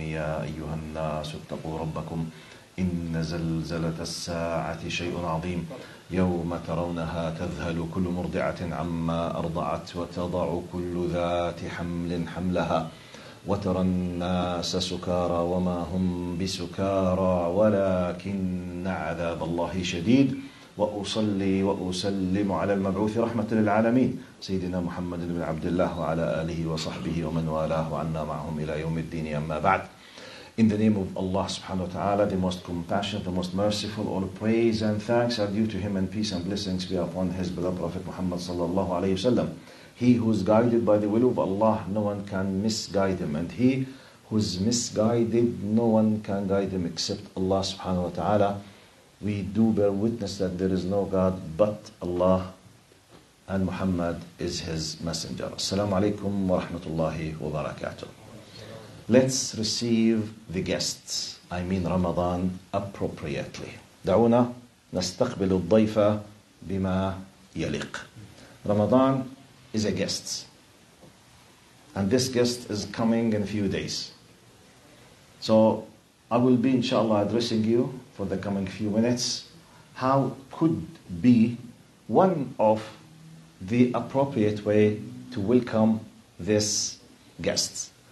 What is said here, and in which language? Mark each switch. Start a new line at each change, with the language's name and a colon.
Arabic: يا أيها الناس اتقوا ربكم إن زلزلة الساعة شيء عظيم يوم ترونها تذهل كل مرضعة عما أرضعت وتضع كل ذات حمل حملها وترى الناس سكارى وما هم بسكارى ولكن عذاب الله شديد. وأصلي وأسلم على المبعوث رحمة للعالمين سيدنا محمد بن عبد الله وعلى آله وصحبه ومن والاه وعنا معهم إلى يوم الدين أما بعد.
English: In the name of Allah subhanahu wa ta'ala, the most compassionate, the most merciful, all praise and thanks are due to him and peace and blessings be upon his beloved Prophet Muhammad sallallahu alayhi wa sallam. He who is guided by the will of Allah, no one can misguide him. And he who is misguided, no one can guide him except Allah subhanahu wa ta'ala. We do bear witness that there is no God but Allah, and Muhammad is his messenger.
Arabic: Assalamu alaikum wa rahmatullahi wa barakatuh.
English: Let's receive the guests, I mean Ramadan, appropriately.
Arabic: دعونا نستقبل الضيفة بما يليق.
English: Ramadan is a guest. And this guest is coming in a few days. So I will be, inshallah, addressing you for the coming few minutes. How could be one of the appropriate way to welcome this guest?